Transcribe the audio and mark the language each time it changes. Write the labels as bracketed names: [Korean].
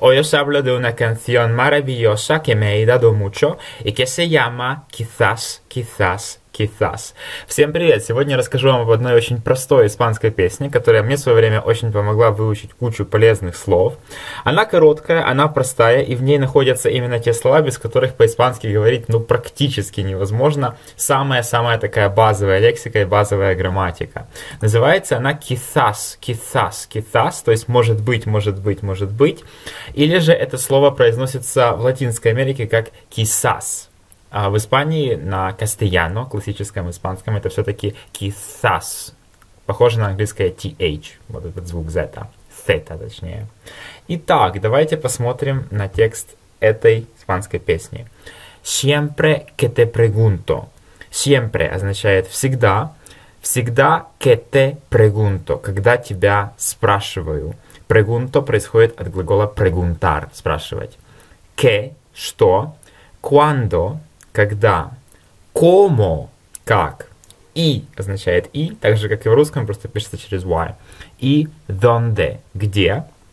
[Spanish] Hoy os hablo de una canción maravillosa que me ha ayudado mucho y que se llama Quizás, quizás, quizás. [Russian] Всем привет! Сегодня расскажу вам об одной очень простой испанской песне, которая мне в свое время очень помогла выучить кучу полезных слов. Она короткая, она простая, и в ней находятся именно те слова, без которых по-испански говорить, ну, практически невозможно. Самая-самая такая базовая лексика и базовая грамматика. Называется она [Spanish] quizás, quizás, quizás, [Russian] то есть может быть, может быть, может быть. Или же это слово произносится в Латинской Америке как quizás. А в Испании на castellano, классическом испанском, это все-таки quizás. Похоже на английское th, вот этот звук zeta, theta точнее. Итак, давайте посмотрим на текст этой испанской песни. [Spanish] Siempre que te pregunto. [Russian] Siempre означает всегда. Всегда [Spanish] que te pregunto, [Russian] когда тебя спрашиваю. Pregunto происходит от глагола preguntar, спрашивать. Que, что, cuando, когда, como, как, и означает и, так же как и в русском, просто пишется через y, и donde, где,